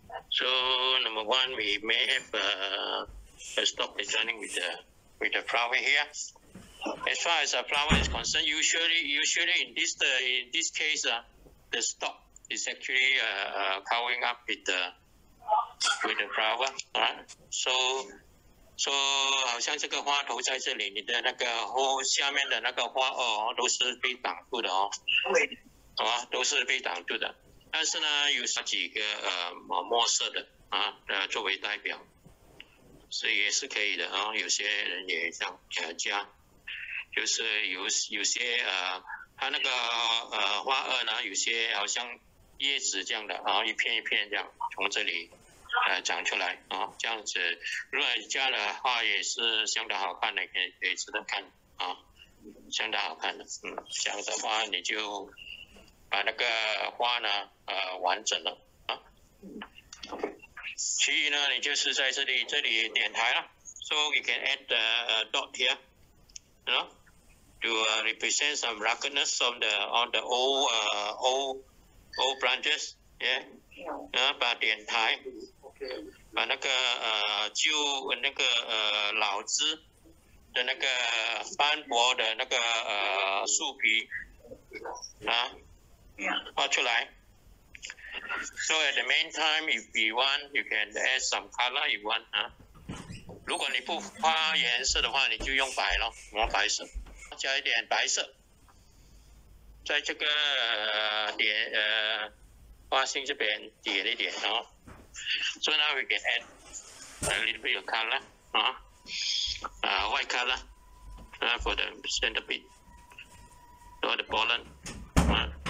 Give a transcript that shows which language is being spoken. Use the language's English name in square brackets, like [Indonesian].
[English] So number one, we may have stopped joining with the flower here. As far as a flower is concerned, usually in this case, the stalk is actually covering up with the flower, right? [Chinese] So 好像这个花头在这里，你的那个花下面的那个花哦，都是被挡住的哦，好吧，都是被挡住的。但是呢，有几个墨色的啊，作为代表，所以也是可以的啊。有些人也想加。就是有些它那个花萼呢，有些好像叶子这样的，然后一片一片这样从这里长出来啊，这样子如果加的话也是相当好看的，也值得看啊，相当好看的。这样的话你就把那个花呢完整了啊。其余呢，你就是在这里点台了 ， [English] so you can add a dot here， [Chinese] 喏。 [English] To represent some ruggedness of the on the old branches, yeah. [Chinese] 把点台，把那个旧那个老枝的那个斑驳的那个树皮画出来。 [English] So at the meantime, if you want, you can add some color if you want. [Chinese] 如果你不画颜色的话，你就用白咯，用白色。加一点白色，在这个点花心这边点一点哦。 [English] So now we can add a little bit of color 啊，white color 啊，for the center bit or the pollen 啊。